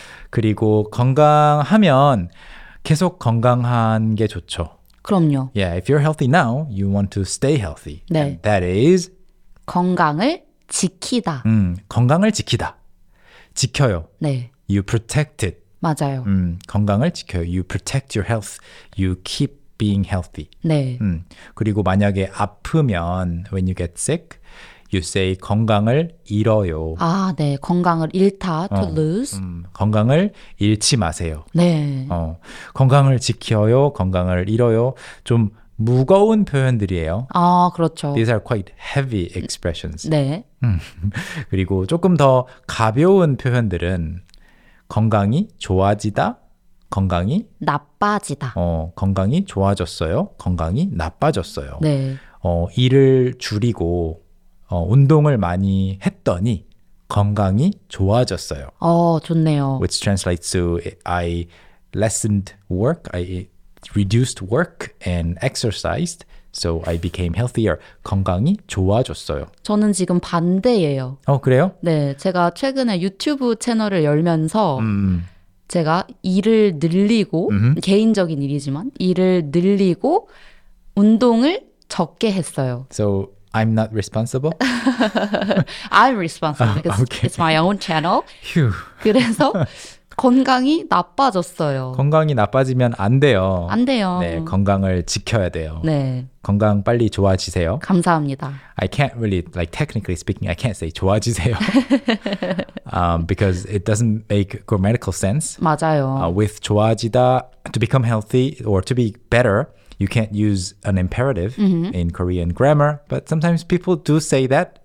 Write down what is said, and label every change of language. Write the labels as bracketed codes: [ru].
[ko] 그리고 건강하면 계속 건강한 게 좋죠. 그럼요. [en] Yeah, if you're healthy now, you want to stay healthy. [ko] 네. [en] That is [ko] 건강을 지키다. 건강을 지키다. 지켜요. 네. [en] You protect it. [ko] 맞아요. 건강을 지켜요. [en] You protect your health. You keep being healthy. [ko] 네. 그리고 만약에 아프면 [en] when you get sick, you say [ko] 건강을 잃어요. 아, 네. 건강을 잃다. [en] To lose. [ko] 건강을 잃지 마세요. 네. 건강을 지켜요. 건강을 잃어요. 좀 무거운 표현들이에요. 그렇죠. [en] These are quite heavy expressions. [ko] 네. 그리고 조금 더 가벼운 표현들은 건강이 좋아지다. 건강이 나빠지다. 건강이 좋아졌어요. 건강이 나빠졌어요. 네. 일을 줄이고 운동을 많이 했더니 건강이 좋아졌어요. 좋네요. [en] Which translates to I lessened work, I reduced work and exercised, so I became healthier. [ko] 건강이 좋아졌어요. 저는 지금 반대예요. 그래요? 네, 제가 최근에 유튜브 채널을 열면서 제가 일을 늘리고 개인적인 일이지만 일을 늘리고 운동을 적게 했어요. [en] So I'm not responsible? I'm responsible because it's my own channel. Phew. [ko] 그래서 건강이 나빠졌어요. 건강이 나빠지면 안 돼요. 안 돼요. 네, 건강을 지켜야 돼요. 네. 건강 빨리 좋아지세요. 감사합니다. [en] I can't really, like technically speaking, I can't say 좋아지세요. because it doesn't make grammatical sense. [ko] 맞아요. [en] With 좋아지다, to become healthy or to be better, you can't use an imperative in Korean grammar, but sometimes people do say that